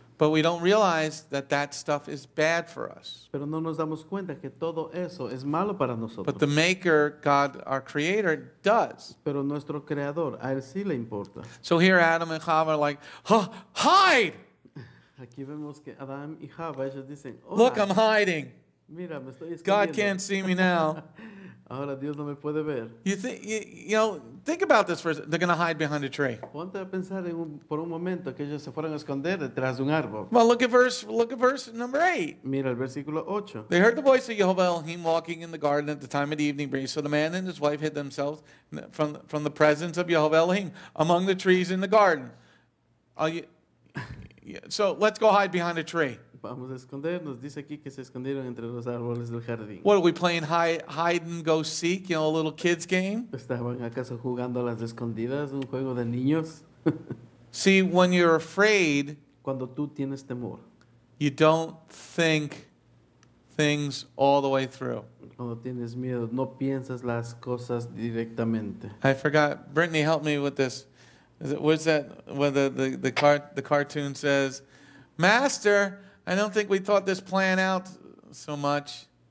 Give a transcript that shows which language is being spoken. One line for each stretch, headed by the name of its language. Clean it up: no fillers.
English: But we don't realize that stuff is bad for us.
Spanish: Pero no nos damos cuenta que todo eso es malo para nosotros.
English: But the Maker, God, our Creator, does.
Spanish: Pero nuestro creador, a él sí le importa.
English: So here Adam and Chava are like, hide!
Spanish: Aquí vemos que Adam y Chava, ellos dicen,
English: look, I'm hiding.
Spanish: Mira, me estoy escondiendo.
English: God can't see me now.
Spanish: Ahora Dios no me puede ver.
English: You think about this for a second. They're going to hide behind a tree.
Spanish: Ponte a pensar por un momento que ellos se fueron a esconder detrás de un árbol.
English: Well, look at verse number 8.
Spanish: Mira el versículo 8.
English: They heard the voice of Jehovah Elohim walking in the garden at the time of the evening breeze. So the man and his wife hid themselves from the presence of Jehovah Elohim among the trees in the garden. So let's go hide behind a tree.
Spanish: Vamos a escondernos. Dice aquí que se escondieron entre los árboles del jardín.
English: What are we playing hide and go seek? You know, a little kid's game?
Spanish: ¿Estaban acaso jugando a las escondidas, un juego de niños?
English: See, when you're afraid,
Spanish: cuando tú tienes temor,
English: you don't think things all the way through.
Spanish: Cuando tienes miedo, no piensas las cosas directamente.
English: I forgot. Brittany, help me with this. Where's that? Where the cartoon says, "Master, I don't think we thought this plan out so much."